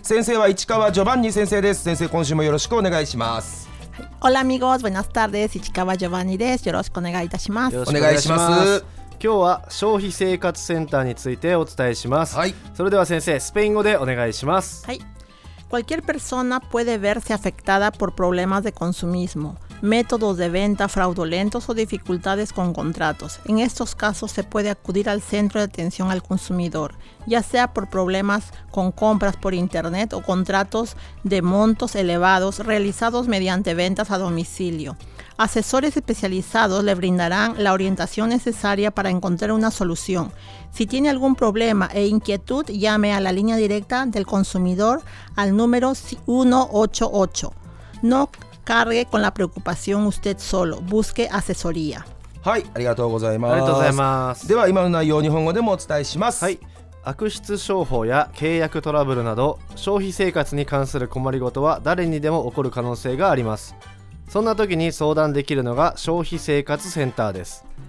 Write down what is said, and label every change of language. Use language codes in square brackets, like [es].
[ja] 先生は市川ジョバンニ先生です。先生今週もよろしくお願いします。オラミゴーズ、ブエナスタールです。市川ジョバンニです。よろしくお願いいたします。お願いします。今日は消費生活センターについてお伝えします。はい、それでは先生スペイン語でお願いします。はい。 [es] Cualquier persona puede verse afectada por problemas de consumismo, métodos de venta fraudulentos o dificultades con contratos. En estos casos se puede acudir al centro de atención al consumidor, ya sea por problemas con compras por internet o contratos de montos elevados realizados mediante ventas a domicilio. Asesores especializados le brindarán la orientación necesaria para encontrar una solución. Si tiene algún problema e inquietud, llame a la línea directa del consumidor al número 188. No cargue con la preocupación usted solo. Busque asesoría. [ja] はい、ありがとうございます。ありがとうございます。では今の内容を日本語でもお伝えします。はい。悪質商法や契約トラブルなど、消費生活に関する困りごとは誰にでも起こる可能性があります。そんな時に相談できるのが消費生活センターです。